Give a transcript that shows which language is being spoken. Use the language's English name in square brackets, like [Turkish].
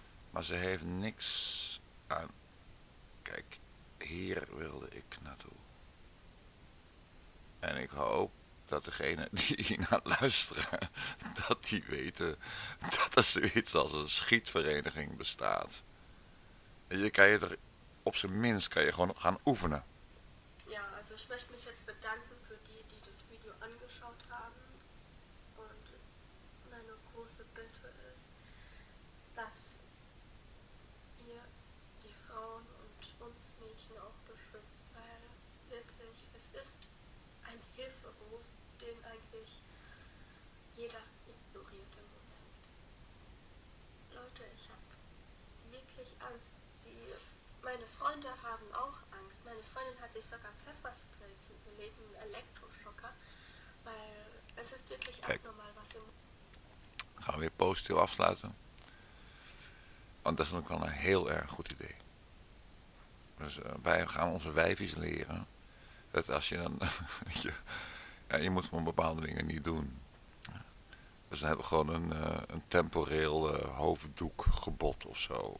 [Dutch] Maar ze heeft niks aan. Kijk, hier wilde ik naartoe. En ik hoop dat degene die hier naar luisteren, dat die weten dat er zoiets als een schietvereniging bestaat. Je kan je er. Op zijn minst kan je gewoon gaan oefenen. [German] Ja, also ich möchte mich jetzt bedanken für die, die das Video angeschaut haben. Und meine große Bitte ist, dass ihr die Frauen und uns Mädchen auch beschützt. Weil wirklich, es ist ein Hilferuf, den eigentlich jeder ignoriert im Moment. Leute, ich habe wirklich Angst. Meine Freunde haben auch Angst. Meine Freundin hat sich sogar Pfefferspray zugelegt, einen Elektroschocker, weil es ist wirklich abnormal, was im. [Dutch] Gaan we positief afsluiten? Want dat is ook wel een heel erg goed idee. Dus wij gaan onze wijfjes leren dat als je dan. je moet gewoon bepaalde dingen niet doen. Dus dan hebben we gewoon een temporeel hoofddoekgebod of zo.